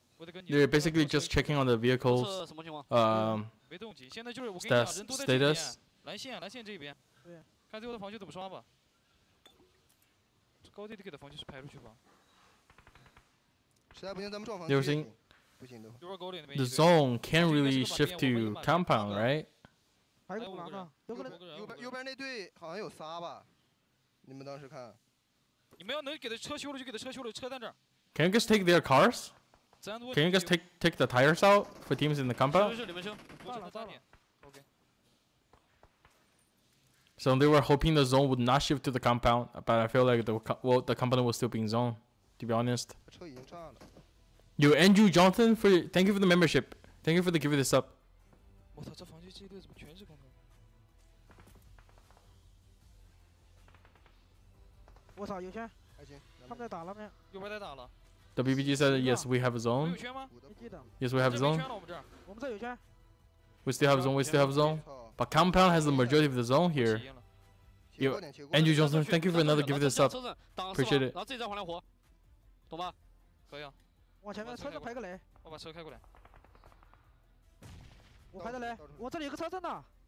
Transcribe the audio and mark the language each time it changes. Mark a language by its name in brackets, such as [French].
[English] They're basically just checking on the vehicles. [Chinese] 没动静，现在就是我跟你讲，人都在这边。蓝线这边。对。看最后的防区怎么刷吧。这高地给的防区是排出去吧。实在不行，咱们撞防区。不行的。 [English] The zone can't really shift to compound, right? [Chinese] 还有五个人。有五个人。右边那队好像有仨吧？你们当时看。你们要能给他车修了，就给他车修了，车在这儿。 [English] Can you guys take their cars? Can you guys take the tires out for teams in the compound? [Chinese] 是 [English] So they were hoping the zone would not shift to the compound, but I feel like the compound will still be in zone, to be honest. Yo, Andrew Johnson, thank you for the membership. Thank you for giving this up. [Chinese] 我操，这房区这一队怎么全是空空？我操，有钱，他们在打了没？右边在打了。 [English] The BBG said yes, we have a zone. Yes, we have a zone. We still have a zone. We still have a zone. But compound has the majority of the zone here. Yo, Andrew Johnson, thank you for another give this up. Appreciate it. [Chinese] 然后自己再回来活，懂吧？可以啊。往前面车子排个雷。我把车开过来。我排的雷，我这里有个车阵呢。